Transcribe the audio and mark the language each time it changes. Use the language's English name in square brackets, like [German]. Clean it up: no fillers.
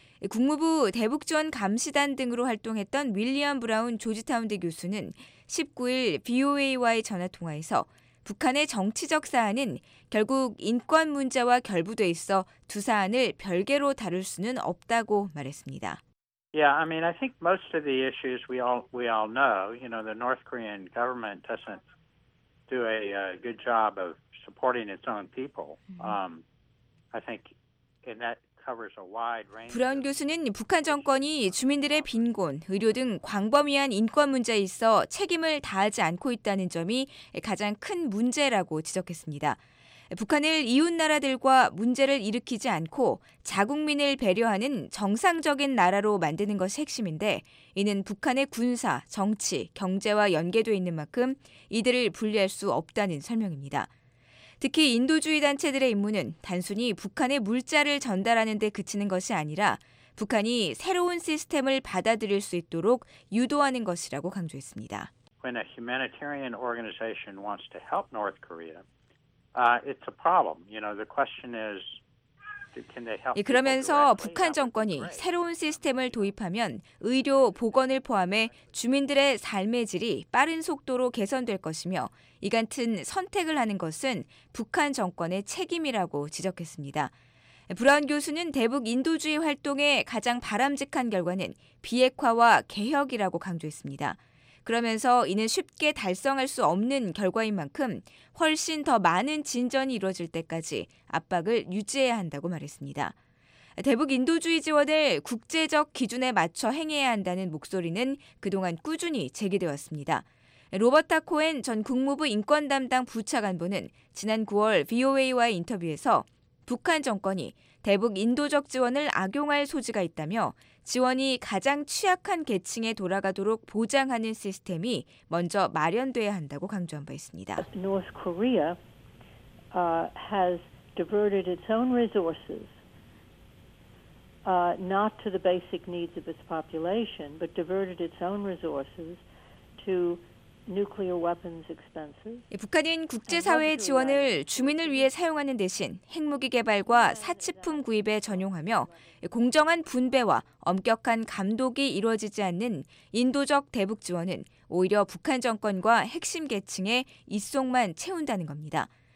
[Korean] 국무부 대북지원감시단 등으로 활동했던 윌리엄 브라운 조지타운대 교수는 19일 BOA와의 전화통화에서 북한의 정치적 사안은 결국 인권 문제와 결부돼 있어 두 사안을 별개로 다룰 수는 없다고 말했습니다. [English] Yeah, I mean, I think most of the issues we all know, you know, the North Korean government doesn't do a good job of supporting its own people. I think and that covers a wide range. [Korean] 브라운 교수는 북한 정권이 주민들의 빈곤, 의료 등 광범위한 인권 문제에 있어 책임을 다하지 않고 있다는 점이 가장 큰 문제라고 지적했습니다. 북한을 이웃나라들과 문제를 일으키지 않고 자국민을 배려하는 정상적인 나라로 만드는 것이 핵심인데 이는 북한의 군사, 정치, 경제와 연계돼 있는 만큼 이들을 분리할 수 없다는 설명입니다. 특히 인도주의 단체들의 임무는 단순히 북한의 물자를 전달하는 데 그치는 것이 아니라 북한이 새로운 시스템을 받아들일 수 있도록 유도하는 것이라고 강조했습니다. [English] When a humanitarian organization wants to help North Korea, it's a problem. You know, the question is, can they help? [Korean] 그러면서 북한 정권이 새로운 시스템을 도입하면 의료 보건을 포함해 주민들의 삶의 질이 빠른 속도로 개선될 것이며 이 같은 선택을 하는 것은 북한 정권의 책임이라고 지적했습니다. 브라운 교수는 대북 인도주의 활동의 가장 바람직한 결과는 비핵화와 개혁이라고 강조했습니다. 그러면서 이는 쉽게 달성할 수 없는 결과인 만큼 훨씬 더 많은 진전이 이루어질 때까지 압박을 유지해야 한다고 말했습니다. 대북 인도주의 지원을 국제적 기준에 맞춰 행해야 한다는 목소리는 그동안 꾸준히 제기되었습니다. 로버트 타코엔 전 국무부 인권 담당 부차관보는 지난 9월 VOA와의 인터뷰에서 북한 정권이 대북 인도적 지원을 악용할 소지가 있다며 지원이 가장 취약한 계층에 돌아가도록 보장하는 시스템이 먼저 마련돼야 한다고 강조한 바 있습니다. [English] North Korea has diverted its own resources not to the basic needs of its population, but diverted its own resources to nuclear weapons expenses. [Korean] 북한은 국제사회의 지원을 주민을 위해 사용하는 대신 핵무기 개발과 사치품 구입에 전용하며 공정한 분배와 엄격한 감독이 이루어지지 않는 인도적 대북 지원은 오히려 북한 정권과 핵심 계층의 이속만 채운다는 겁니다.